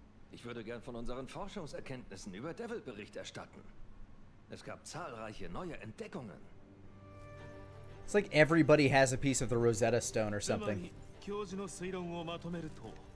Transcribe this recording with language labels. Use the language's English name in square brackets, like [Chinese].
[German] Ich würde gern von unseren Forschungserkenntnissen über Devil Bericht erstatten. Es gab zahlreiche neue Entdeckungen. [English] It's like everybody has a piece of the Rosetta Stone or something. [Japanese] 教授の推論をまとめると、